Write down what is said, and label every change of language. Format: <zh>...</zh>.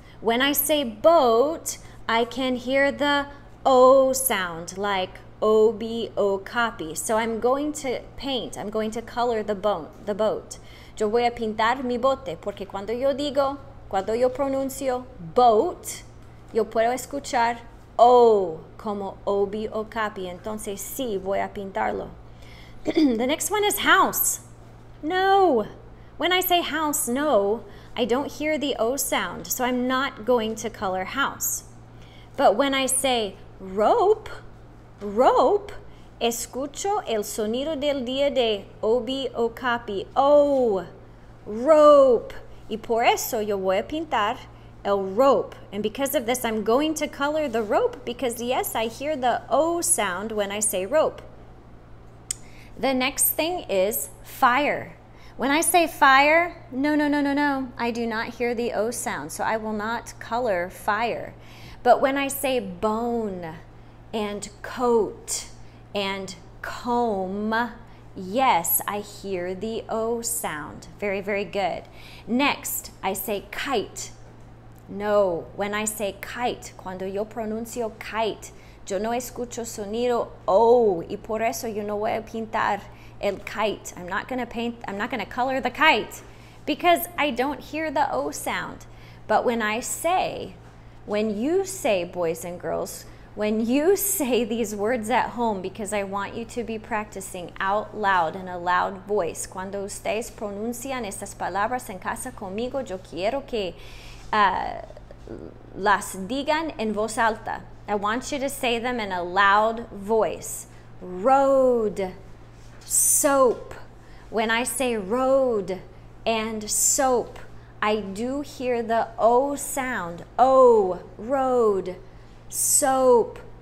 <en>When I say boat, I can hear the O sound, like Obie Okapi. So I'm going to paint, I'm going to color the boat.</en> <es>Yo voy a pintar mi bote, porque cuando yo digo, cuando yo pronuncio boat, yo puedo escuchar O, como Obie Okapi. Entonces, sí, voy a pintarlo.</es> <en>The next one is house. No. When I say house, no, I don't hear the O sound, so I'm not going to color house. But when I say rope, rope,</en> <es>escucho el sonido del día de Obie Okapi.</es> <en>O, rope.</en> <es>Y por eso yo voy a pintar el rope.</es> <en>And because of this, I'm going to color the rope because, yes, I hear the O sound when I say rope. The next thing is fire. When I say fire, no, no, no, no, no. I do not hear the O sound, so I will not color fire. But when I say bone and coat and comb, yes, I hear the O sound. Very, very good. Next, I say kite. No, when I say kite,</en> <es>cuando yo pronuncio kite, yo no escucho sonido O, y por eso yo no voy a pintar el kite.</es> <en>I'm not going to color the kite because I don't hear the O sound. But when you say, boys and girls, when you say these words at home, because I want you to be practicing out loud in a loud voice.</en> <es>Cuando ustedes pronuncian estas palabras en casa conmigo, yo quiero que las digan en voz alta.</es> <en>I want you to say them in a loud voice. Road, soap. When I say road and soap, I do hear the O sound. O, road. Soap,</en>